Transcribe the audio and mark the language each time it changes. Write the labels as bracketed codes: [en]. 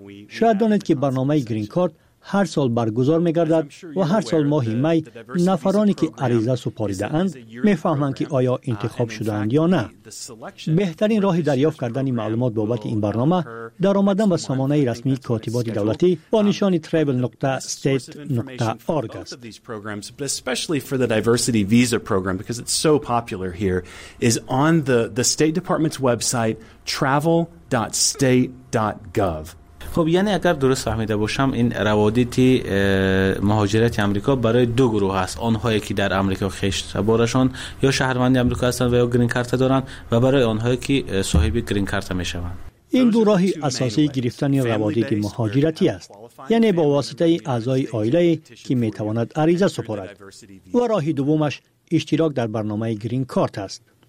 [fa] شاید دانید که برنامه گرین کارت هر سال برگزار می‌گردد و هر سال ماه می نفرانی که عریضه سپاریده‌اند می‌فهمند که آیا انتخاب شده‌اند یا نه. بهترین راه دریافت کردن معلومات بابت این برنامه در آمدن به سامانه رسمی کاتبات دولتی با نشان travel.state.org است. [en] Especially for the diversity visa program because it's so popular here is on the State Department's website travel.state.gov. [fa] خب یعنی اگر درست فهمیده باشم این روادید مهاجرت آمریکا برای دو گروه است، آنهایی که در آمریکا خشت بارشان یا شهروند آمریکا هستند و یا گرین کارت دارند و برای آنهایی که صاحب گرین کارت میشوند. این دو راهی اساسی گرفتن روادید مهاجرتی است، یعنی با واسطه اعضای آیله که میتواند عریضه سپارد، و راه دومش اشتراک در برنامه گرین کارت است.